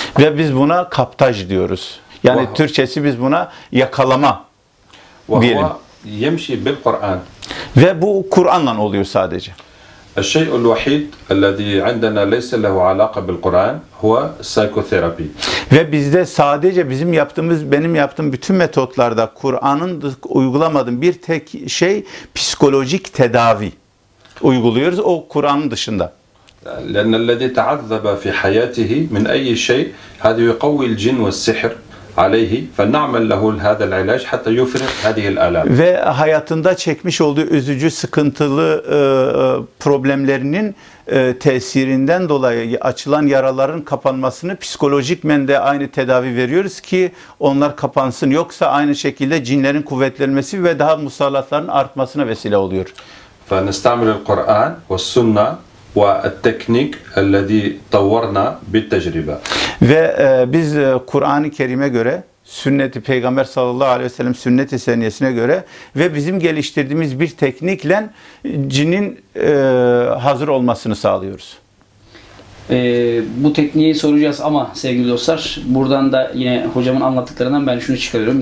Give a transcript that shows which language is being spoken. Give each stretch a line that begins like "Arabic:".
Turkish: Ve biz buna kaptaj diyoruz. Yani Türkçesi biz buna yakalama diyelim.
Arabic: يمشي بالقرآن.
Turkish: Ve bu Kur'an'la oluyor sadece.
Arabic: الشيء الوحيد الذي عندنا ليس له علاقة بالقرآن هو psychotherapy.
Turkish: Ve bizde sadece benim yaptığım bütün metotlarda Kur'an'ın uygulamadığım bir tek şey psikolojik tedavi uyguluyoruz o Kur'an'ın dışında.
Arabic: لأن الذي تعذب في حياته من أي شيء هذا يقوي الجن والسحر. عليه فنعمل له هذا العلاج حتى يفرغ هذه الآلام.
Turkish: Ve hayatında çekmiş olduğu üzücü sıkıntılı problemlerinin tesirinden dolayı açılan yaraların kapanmasını psikolojik mende aynı tedavi veriyoruz ki onlar kapansın. Yoksa aynı şekilde cinlerin kuvvetlenmesi ve daha musallatların artmasına vesile oluyor.
Arabic: فنستعمل القرآن والسنة والتكنيك الذي طورنا بالتجربة.
Turkish: Ve biz Kur'an-ı Kerim'e göre, sünnet-i Peygamber sallallahu aleyhi ve sellem sünnet-i seniyesine göre ve bizim geliştirdiğimiz bir teknikle cinin hazır olmasını sağlıyoruz. Bu tekniği soracağız ama sevgili dostlar, buradan da yine hocamın anlattıklarından ben şunu çıkarıyorum.